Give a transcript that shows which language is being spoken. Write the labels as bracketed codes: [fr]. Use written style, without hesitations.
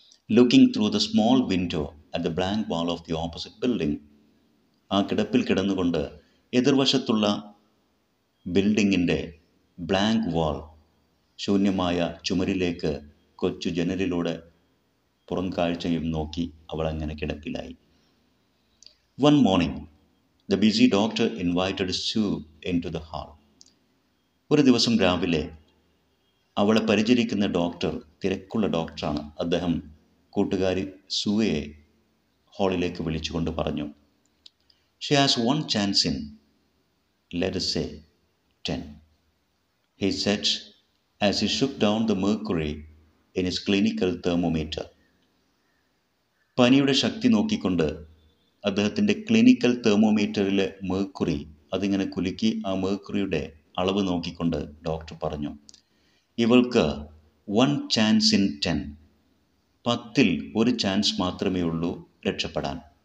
[en] looking through the small window at the blank wall of the opposite building, [ml] ആ കിടപ്പിൽ കിടന്നുകൊണ്ട് എതിർവശത്തുള്ള ബിൽഡിങ്ങിൻ്റെ blank വാൾ, ശൂന്യമായ ചുമരിലേക്ക് കൊച്ചു ജനലിലൂടെ പുറം കാഴ്ചയും നോക്കി അവൾ അങ്ങനെ കിടപ്പിലായി. [en] One morning, the busy doctor invited Sue into the hall. [ml] ഒരു ദിവസം രാവിലെ അവളെ പരിചരിക്കുന്ന ഡോക്ടർ, തിരക്കുള്ള ഡോക്ടറാണ് അദ്ദേഹം, കൂട്ടുകാരി സൂയെ ഹാളിലേക്ക് വിളിച്ചുകൊണ്ട് പറഞ്ഞു, [en] She has one chance in, let us say, 10. He said as he shook down the mercury in his clinical thermometer. [ml] പനിയുടെ ശക്തി നോക്കിക്കൊണ്ട് അദ്ദേഹത്തിൻ്റെ ക്ലിനിക്കൽ തെർമോമീറ്ററിലെ മേക്കുറി, അതിങ്ങനെ കുലുക്കി ആ മേക്കുറിയുടെ അളവ് നോക്കിക്കൊണ്ട് ഡോക്ടർ പറഞ്ഞു, ഇവൾക്ക് [en] one chance in ten, [ml] പത്തിൽ ഒരു ചാൻസ് മാത്രമേ ഉള്ളൂ രക്ഷപ്പെടാൻ.